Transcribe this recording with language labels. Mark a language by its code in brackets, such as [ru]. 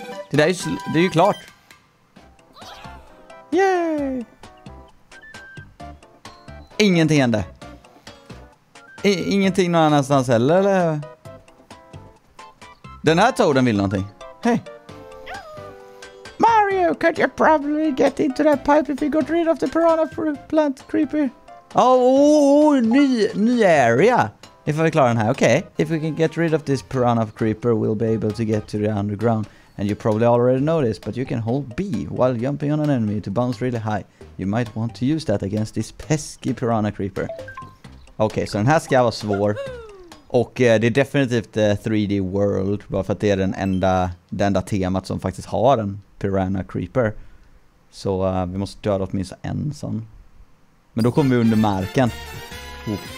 [sv] Det där är ju, det är ju klart. Yay! Ingenting hände. Ingenting någon annanstans heller, eller? Den här Toaden vill någonting. Hej. [en] Mario, can't you probably get into that pipe if you got rid of the piranha plant creeper? Oh, new area. If I clear on here, okay. If we can get rid of this piranha creeper, we'll be able to get to the underground. And you probably already know this, but you can hold B while jumping on an enemy to bounce really high. You might want to use that against this pesky piranha creeper. [sv] Okay, så den här ska vara svår. Och det är definitivt 3D World, bara för att det är den enda temat som faktiskt har en piranha creeper. Så vi måste döda åtminstone en sån. Men då kommer vi under marken. Oh.